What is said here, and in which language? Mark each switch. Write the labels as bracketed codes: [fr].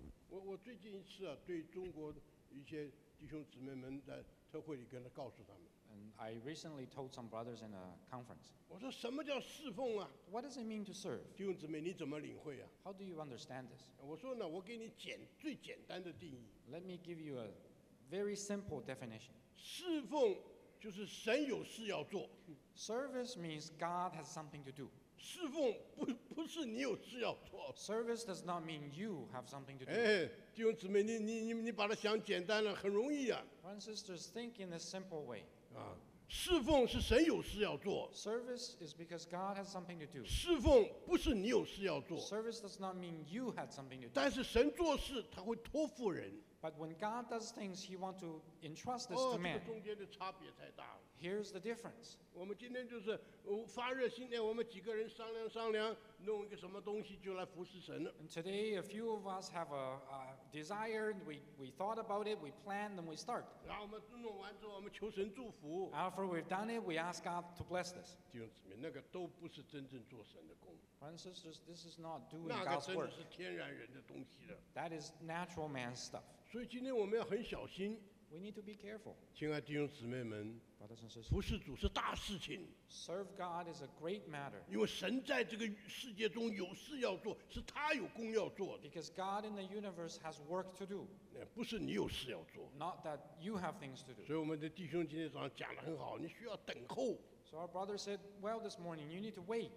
[zh] 我最近一次啊，对中国一些弟兄姊妹们在特会里跟他告诉他们。 [en] And I recently told some brothers in a conference. [zh] 我说什么叫侍奉啊 [en] ？What does it mean to serve？ [zh] 弟兄姊妹，你怎么领会啊 [en] ？How do you understand this？ [zh] 我说呢，我给你最简单的定义。 [en] Let me give you a very simple definition. [zh] 侍奉就是神有事要做。 [en] Service means God has something to do. [zh] 侍奉不是你有事要做。 [en] Service does not mean you have something to do. [zh] 哎，弟兄姊妹，你把它想简单了，很容易啊。 [en] One sisters think in a simple way. [zh] 啊，侍奉是神有事要做。 [en] Service is because God has something to do. [zh] 侍奉不是你有事要做。 [en] Service does not mean you had something to do. [zh] 但是神做事，他会托付人。 [en] But when God does things, He wants to entrust this to man. [zh] 这个中间的差别太大了。 [en] Here's the difference. [zh] 我们今天就是发热心念，我们几个人商量商量，弄一个什么东西就来服侍神了。 [en] And today, a few of us have a desire, and we thought about it, we planned, and we start. [zh] 然后我们弄完之后，我们求神祝福。 [en] After we've done it, we ask God to bless this. [zh] 弟兄姊妹，那个都不是真正做神的工。 [en] Friends, sisters, this is not doing God's work. [zh] 那个真的是天然人的东西了。 [en] That is natural man's stuff. [zh] 所以今天我们要很小心。 [en] We need to be careful. [zh] 亲爱弟兄姊妹们。 [en] Brothers and sisters, [zh] 服侍主是大事情。 [en] Serve God is a great matter. [zh] 因为神在这个世界中有事要做，是他有工要做的。 [en] Because God in the universe has work to do. [zh] 不是你有事要做。 [en] Not that you have things to do. [zh] 所以我们的弟兄今天早上讲得很好，你需要等候。 [en] So our brother said, well, this morning you need to wait.